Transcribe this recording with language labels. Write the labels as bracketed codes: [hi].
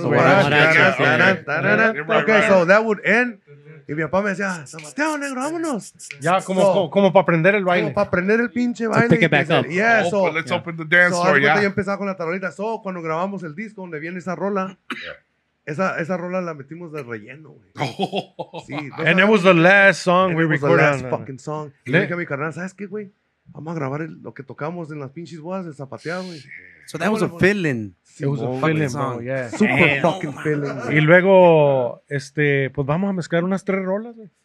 [en] Guaraches. Okay, so that would end. [es] Y mi papá me decía, Zapateado Negro, vámonos. Ya, como para aprender el baile. Como para aprender el pinche baile. [en] Pick it back up. Yeah, so. Let's open the dance floor, yeah. [es] Yo empezaba con la tarolita. So, cuando grabamos el disco, donde viene esa rola. Esa rola la metimos de relleno, güey. [en] Sí, and it was the last song we recorded. The last fucking song. [es] Le dije a mi carnal, ¿sabes qué, güey? Vamos a grabar lo que tocamos en las pinches bodas de Zapateado, güey. [en] So that was a feeling. It was a feeling, bro. Yeah. Super damn. Fucking feeling. [es] Y luego, pues vamos a mezclar unas tres rolas, güey.